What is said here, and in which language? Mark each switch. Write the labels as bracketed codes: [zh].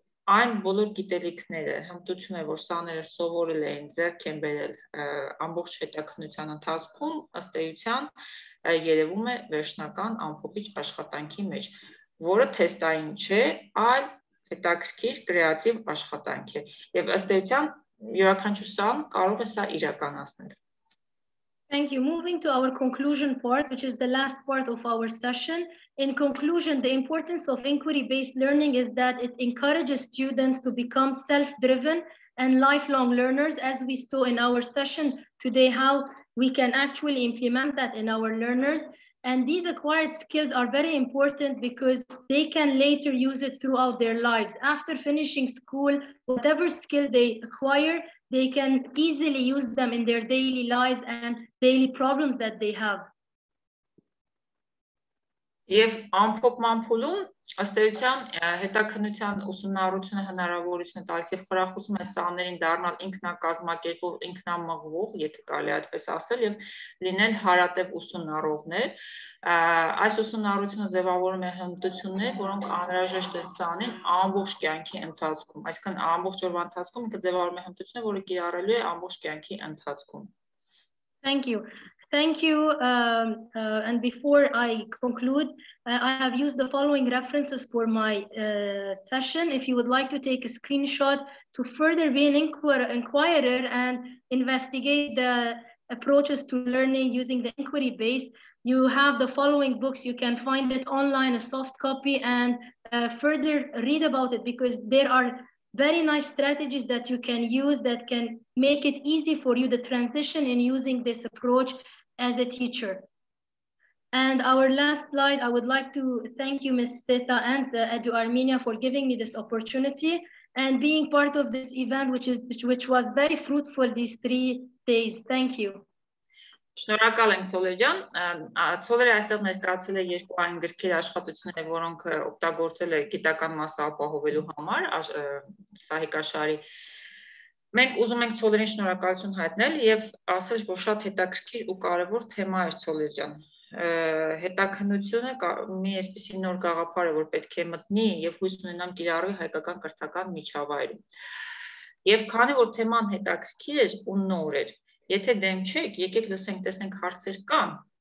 [hy] Այն բոլոր գիտելիքները, հմտությունները, որ սաները սովորել էին, ձեռք են բերել ամբողջ հետաքննության ընթացքում, ըստ էության երևում է վերջնական ամփոփիչ աշխատանքի մեջ, որը թեստային չէ, այլ հետաքրքիր կրեատիվ աշխատանք է, եւ ըստ էության յուրաքանչյուր սան կարող է սա իրականացնել։ [en] Thank you. Moving to our conclusion part, which is the last part of our session. In conclusion, the importance of inquiry-based learning is that it encourages students to become self-driven and lifelong learners, as we saw in our session today, how we can actually implement that in our learners. And these acquired skills are very important because they can later use it throughout their lives. After finishing school, whatever skill they acquire, they can easily use them in their daily lives and daily problems that they have. [hy] Եվ ամփոփման փուլում ըստ էության հետաքննության ուսումնառությունը հնարավորություն է տալիս եւ խրախուսում է սաներին դառնալ ինքնակազմակերպող, ինքնամղվող, եթե կարելի այդպես ասել, եւ լինել հարատեւ ուսումնառողներ։ Այս ուսումնառությունը ձևավորում է հմտություններ, որոնք անհրաժեշտ են սանին ամբողջ կյանքի ընթացքում, այսինքն ամբողջ օրվա ընթացքում ինքը ձևավորում է հմտություններ, որը կիրառելու է ամբողջ կյանքի ընթացքում։ [en] Thank you. Thank you. And before I conclude, I have used the following references for my session. If you would like to take a screenshot to further be an inquirer and investigate the approaches to learning using the inquiry-based, you have the following books. You can find it online, a soft copy, and further read about it because there are very nice strategies that you can use that can make it easy for you the transition in using this approach as a teacher. And our last slide, I would like to thank you, Ms. Seta and Edu Armenia for giving me this opportunity and being part of this event, which was very fruitful these 3 days. Thank you. [hy] Շնորհակալ եմ Ցոլեջան։ Ցոլերը այստեղ ներկայացել է երկու այն գրքեր աշխատությունները, որոնք օգտագործել է գիտական մասը ապահովելու համար Սահիկաշարի։ Մենք ուզում ենք Ցոլերին շնորհակալություն հայտնել եւ ասել, որ շատ հետաքրքիր ու կարեւոր թեմա է Ցոլեջան։ Հետաքնությունը մի այսպիսի նոր գաղափար է, որ պետք է մտնի եւ հույս ունենամ կիրառի հայկական կրթական միջավայրում։ Եվ քանի որ թեման հետաքրքիր է ու նոր է, եթե դեմ չեք, եկեք լսենք, տեսնենք հարցեր կան։